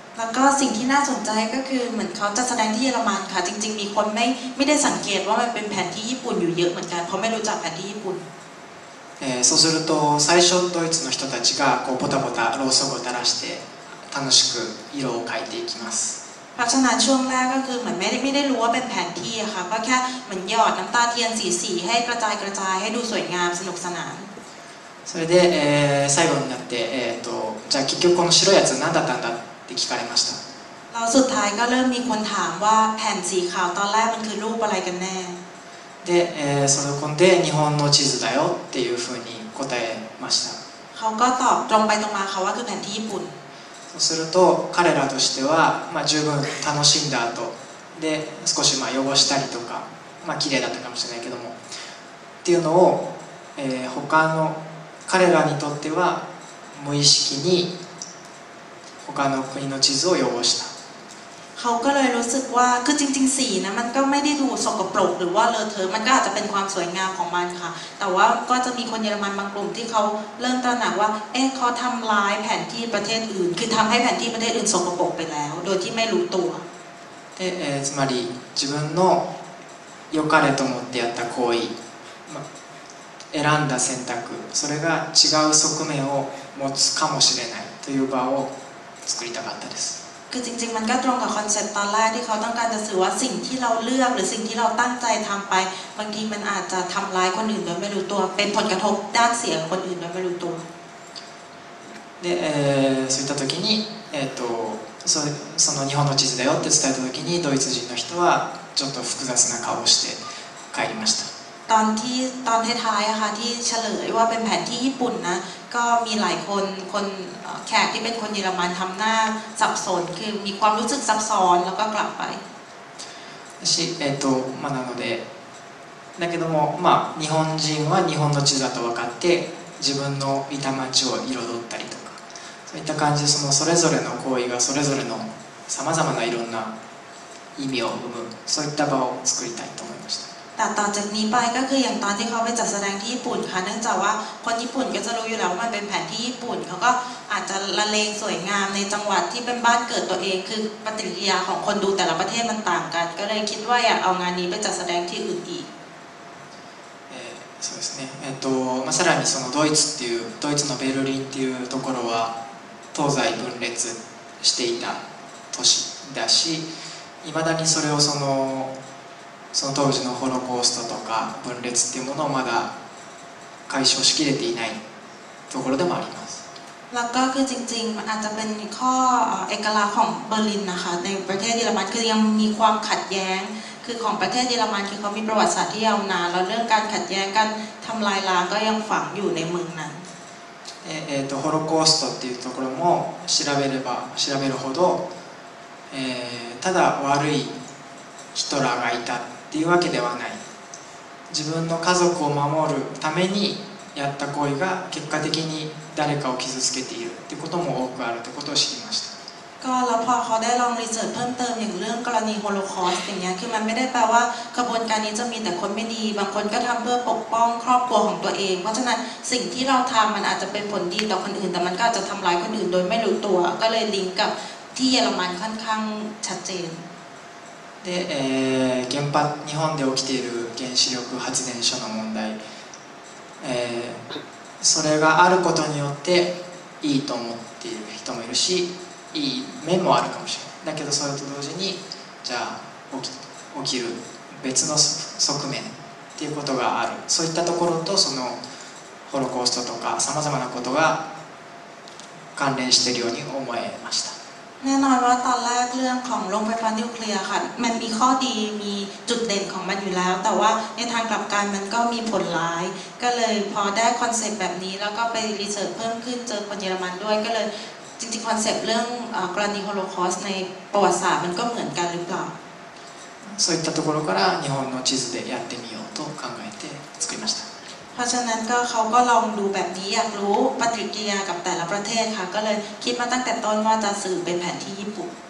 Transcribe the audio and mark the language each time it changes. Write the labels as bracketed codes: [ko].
[th] แล้วก็สิ่งที่น่าสนใจก็คือเหมือนเขาจะแสดงที่เยอรมันค่ะจริงๆมีคนไม่ได้สังเกตว่ามันเป็นแผนที่ญี่ปุ่นอยู่เยอะเหมือนกันเพราะไม่รู้จักแผนที่ญี่ปุ่น [ja] そうすると最初ドイツの人たちがこうポタポタろうそくを垂らして楽しく色を変えていきます。 [th] เพราะฉะนั้นช่วงแรกก็คือเหมือนไม่ได้รู้ว่าเป็นแผนที่ค่ะก็แค่เหมือนหยอดน้ำตาเทียนสีสีให้กระจายให้ดูสวยงามสนุกสนาน。 [ja] それで最後になってじゃあ結局この白いやつ何だったんだって聞かれました。 [th] เราสุดท้ายก็เริ่มมีคนถามว่าแผ่นสีขาวตอนแรกมันคือรูปอะไรกันแน่ [ja] で、そのこんで日本の地図だよっていうふうに答えました。 [th] เขาก็ตอบตรงไปตรงมาเขาว่าคือแผนที่ญี่ปุ่น。 [ja] そうすると彼らとしては、まあ十分楽しんだ後で少しまあ汚したりとか、まあ綺麗だったかもしれないけども、っていうのを、他の彼らにとっては無意識に他の国の地図を汚した。 [th] เขาก็เลยรู้สึกว่าคือจริงๆสีนะมันก็ไม่ได้ดูสกปรกหรือว่าเลอะเทอะมันก็อาจจะเป็นความสวยงามของมันค่ะแต่ว่าก็จะมีคนเยอรมันบางกลุ่มที่เขาเริ่มตระหนักว่าเอ๊ะเขาทำร้ายแผนที่ประเทศอื่นคือทำให้แผนที่ประเทศอื่นสกปรกไปแล้วโดยที่ไม่รู้ตัว [ja] で、つまり自分の良かれと思ってやった行為、選んだ選択、それが違う側面を持つかもしれないという場を作りたかったです。 [th] คือจริงๆมันก็ตรงกับคอนเซ็ปต์ตอนแรกที่เขาต้องการจะสื่อว่าสิ่งที่เราเลือกหรือสิ่งที่เราตั้งใจทำไปบางทีมันอาจจะทำร้ายคนอื่นโดยไม่รู้ตัวเป็นผลกระทบด้านเสียคนอื่นโดยไม่รู้ตัว [ja] でそういった時にその日本の地図だよって伝えた時にドイツ人の人はちょっと複雑な顔をして帰りました。 [th] ตอนที่ตอนท้ายๆอะค่ะที่เฉลยว่าเป็นแผนที่ญี่ปุ่นนะก็มีหลายคนคนแขกที่เป็นคนเยอรมันทำหน้าสับสนคือมีความรู้สึกซับซ้อนแล้วก็กลับไ [ja] ป私まあなのでだけどもまあ日本人は日本の地図だと分かって自分のいた町を彩ったりとかそういった感じでそのそれぞれの行為がそれぞれのさまざまないろんな意味を生むそういった場を作りたいと思いました [th] แต่ต่อจากนี้ไปก็คืออย่างตอนที่เขาไปจัดแสดงที่ญี่ปุ่นค่ะเนื่องจากว่าคนญี่ปุ่นก็จะรู้อยู่แล้วว่ามันเป็นแผนที่ญี่ปุ่นเขาก็อาจจะละเลงสวยงามในจังหวัดที่เป็นบ้านเกิดตัวเองคือปฏิกิริยาของคนดูแต่ละประเทศมันต่างกันก็เลยคิดว่าอยากเอางานนี้ไปจัดแสดงที่อื่นอีก [ja] そうですねさらにそのドイツっていうドイツのベルリンっていうところは東西分裂していた都市だし未だにそれをそのその当時のホロコーストとか分裂っていうものをまだ解消しきれていないところでもあります。 [th] แล้วก็คือจริงๆอาจจะเป็นข้อเอกลักษณ์ของเบอร์ลินนะคะในประเทศเยอรมันคือยังมีความขัดแย้งคือของประเทศเยอรมันคือเขามีประวัติศาสตร์ที่ยาวนานแล้วเรื่องการขัดแย้งกันทำลายล้างก็ยังฝังอยู่ในเมืองนั้น [ja] ホロコーストっていうところも調べれば調べるほど、ただ悪いヒトラーがいた。っていうわけではない。自分の家族を守るためにやった行為が結果的に誰かを傷つけているってことも多くあるってことを知りました。 [th] ก็แล้วพอเขาได้ลองรีเสิร์ชเพิ่มเติมอย่างเรื่องกรณีโฮโลคอสต์อย่างเงี้ยคือมันไม่ได้แปลว่ากระบวนการนี้จะมีแต่คนไม่ดีบางคนก็ทำเพื่อปกป้องครอบครัวของตัวเองเพราะฉะนั้นสิ่งที่เราทำมันอาจจะเป็นผลดีต่อคนอื่นแต่มันก็จะทำร้ายคนอื่นโดยไม่รู้ตัวก็เลยลิงก์กับที่เยอรมันค่อนข้างชัดเจน [ja] で、原発、日本で起きている原子力発電所の問題、それがあることによっていいと思っている人もいるし、いい面もあるかもしれない。だけどそれと同時に、じゃあ起きる別の側面っていうことがある。そういったところとそのホロコーストとかさまざまなことが関連しているように思えました。 [th] แน่นอนว่าตอนแรกเรื่องของโรงไฟฟ้านิวเคลียร์ค่ะมันมีข้อดีมีจุดเด่นของมันอยู่แล้วแต่ว่าในทางกลับกันมันก็มีผลร้ายก็เลยพอได้คอนเซปต์แบบนี้แล้วก็ไปรีเสิร์ชเพิ่มขึ้นเจอคนเยอรมันด้วยก็เลยจริงๆคอนเซปต์เรื่องกรณีโฮโลคอสต์ในประวัติศาสตร์มันก็เหมือนกันหรือเปล่า [ja] そういったところから日本の地図でやってみようと考えて作りました [th] เพราะฉะนั้นก็เขาก็ลองดูแบบนี้อยากรู้ปฏิกิริยากับแต่ละประเทศค่ะก็เลยคิดมาตั้งแต่ต้นว่าจะสื่อเป็นแผนที่ญี่ปุ่น